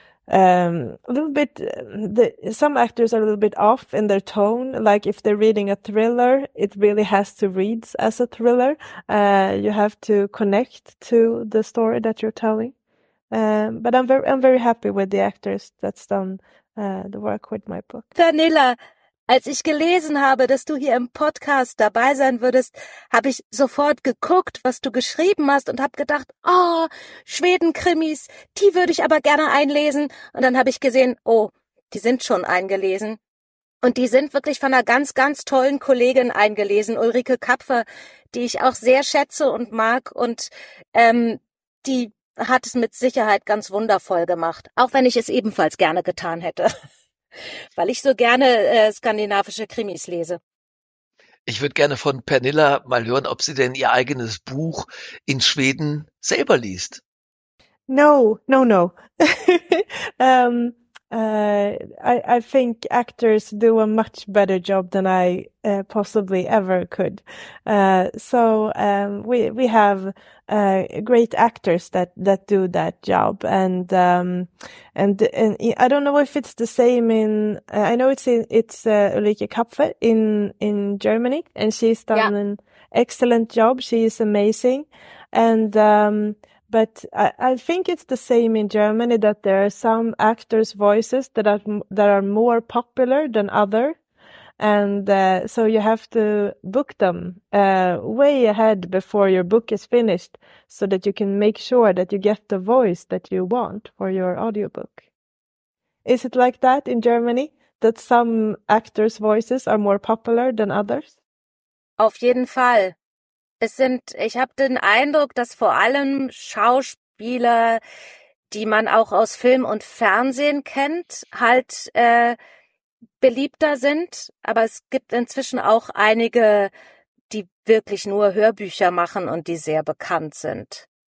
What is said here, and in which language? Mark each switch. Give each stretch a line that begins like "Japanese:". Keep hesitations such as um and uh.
English: um, a little bit the, some actors are a little bit off in their tone like if they're reading a thriller it really has to read as a thriller uh, you have to connect to the story that you're telling um, but I'm very, I'm very happy with the actors that's done uh, the work with my book. Vanilla.
German: Als ich gelesen habe, dass du hier im Podcast dabei sein würdest, habe ich sofort geguckt, was du geschrieben hast und habe gedacht, Ah, oh, Schwedenkrimis. die würde ich aber gerne einlesen. Und dann habe ich gesehen, oh, die sind schon eingelesen. Und die sind wirklich von einer ganz, ganz tollen Kollegin eingelesen, Ulrike Kapfer, die ich auch sehr schätze und mag. Und ähm, die hat es mit Sicherheit ganz wundervoll gemacht, auch wenn ich es ebenfalls gerne getan hätte weil ich so gerne äh, skandinavische Krimis lese. Ich würde gerne von Pernilla mal hören, ob sie denn ihr eigenes Buch in Schweden selber liest.
English: No, no, no. ähm, um. Uh, I, I think actors do a much better job than I uh, possibly ever could. Uh, so um, we we have uh, great actors that, that do that job, and um, and and I don't know if it's the same in. I know it's in, it's uh, Ulrike Kapfer in in Germany, and she's done yeah. an excellent job. She is amazing, and. Um, but I, I, think it's the same in Germany that there are some actors' voices that are that are more popular than other, and uh, so you have to book them uh, way ahead before your book is finished, so that you can make sure that you get the voice that you want for your audiobook. Is it like that in Germany that some actors' voices are more popular than others?
German: Auf jeden Fall. Es sind, ich habe den Eindruck, dass vor allem Schauspieler, die man auch aus Film und Fernsehen kennt, halt äh, beliebter sind. Aber es gibt inzwischen auch einige, die wirklich nur Hörbücher machen und die sehr bekannt sind.